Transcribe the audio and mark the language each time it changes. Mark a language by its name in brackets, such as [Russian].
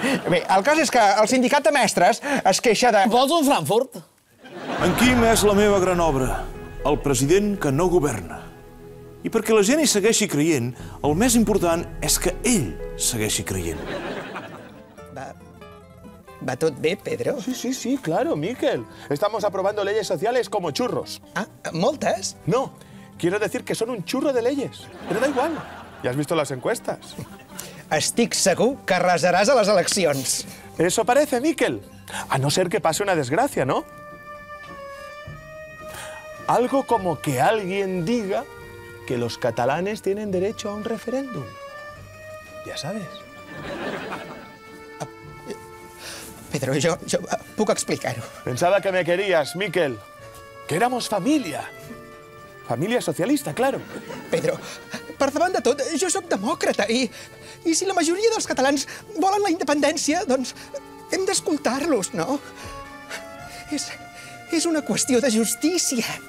[Catalan] Bé, el cas és que el sindicat de mestres es queixa de... Vols un Frankfurt? En Quim és la meva gran obra, el president que no governa. I perquè la gent hi segueixi creient, el més important és que ell segueixi creient. ¿Va tot bé, Pedro? [Spanish] Sí, sí, sí, claro, Miquel. Estamos aprobando leyes sociales como churros. [Catalan] Ah, ¿moltes? [Spanish] No, quiero decir que son un churro de leyes. Pero da igual, ya has visto las encuestas. [Catalan] Estic segur que [Spanish] arrasarás a las elecciones. Eso parece, Miquel. A no ser que pase una desgracia, ¿no? Algo como que alguien diga que los catalanes tienen derecho a un referéndum. Ya sabes. [Catalan] Pedro, yo puc explicar-ho. [Spanish] Pensaba que me querías, Miquel. Que éramos familia. Família socialista, claro. [Catalan] Pedro, per davant de tot, jo sóc demòcrata i si la majoria dels catalans volen la independència, doncs hem d'escoltar-los, no? És una qüestió de justícia.